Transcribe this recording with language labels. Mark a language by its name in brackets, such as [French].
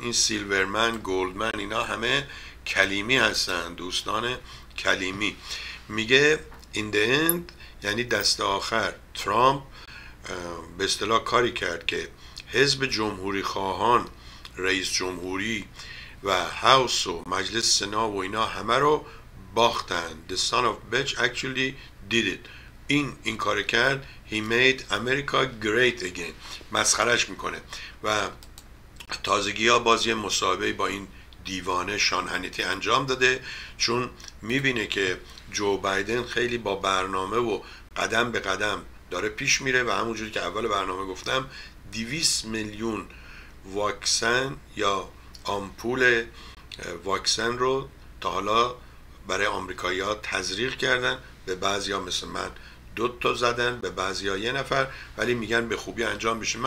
[Persian] این سیلورمن، گولدمن، اینا همه کلیمی هستن، دوستان کلیمی. میگه [English] in the end، [Persian] یعنی دست آخر، ترامپ به اصطلاح کاری کرد که حزب جمهوری خواهان رئیس جمهوری و هاوس و مجلس سنا و اینا همه رو باختن. [English] The son of bitch actually did it. [Persian] این کار کرد. [English] He made America great again. [Persian] مسخرش میکنه. و تازگی ها باز یه مصاحبه با این دیوانه شان هنیتی انجام داده، چون میبینه که جو بایدن خیلی با برنامه و قدم به قدم داره پیش میره و همونجوری که اول برنامه گفتم 200 میلیون واکسن یا آمپول واکسن رو تا حالا برای آمریکایی‌ها تزریق کردن، به بعضی‌ها مثل من دو تا زدن، به بعضی‌ها یه نفر، ولی میگن به خوبی انجام بشه.